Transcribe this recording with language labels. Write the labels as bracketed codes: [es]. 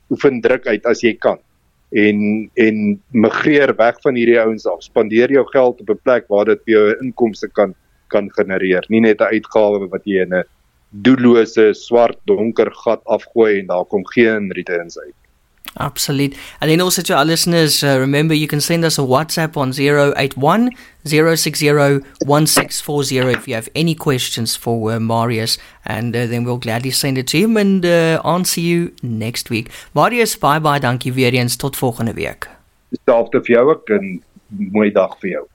[af] Oefen druk uit as jy kan. En migreer weg van hierdie ouens af. Spandeer jou geld op 'n plek waar dit jou inkomste kan genereer. Nie net 'n uitgawe wat jy in 'n doellose swart donker gat afgooi en daar kom geen returns uit. Absoluut. [en] And then also to our listeners, remember you can send us a WhatsApp on 081-060-1640 if you have any questions for Marius, and then we'll gladly send it to him and answer you next week. [af] Marius, bye-bye, dankie weer eens, tot volgende week. Dieselfde vir jou ook, en mooi dag vir jou.